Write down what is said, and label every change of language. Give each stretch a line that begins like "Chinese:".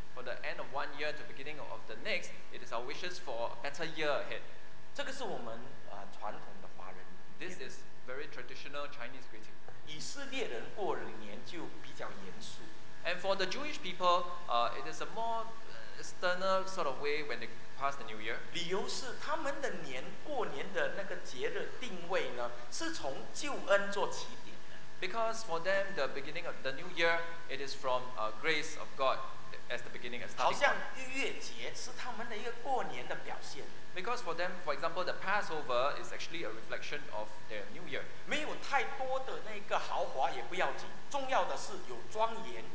English: For the end of one year to beginning of the next, it is our wishes for a better year ahead.
Chinese: 这个是我们 传统的华人。
English: This is very traditional Chinese greeting.
Chinese: 以色列人过年就比较严肃。
English: And for the Jewish people, it is a more external sort of way when they pass the New Year.
Chinese: 理由是他们的年过年的那个节日定位呢，是从救恩做起点的。
English: Because for them, the beginning of the New Year, it is from grace of God as the beginning, as starting.
Chinese: 好像逾越节是他们的一个过年的表现。
English: Because for them, for example, the Passover is actually a reflection of their New Year.
Chinese: 没有太多的那个豪华也不要紧，重要的是有庄严。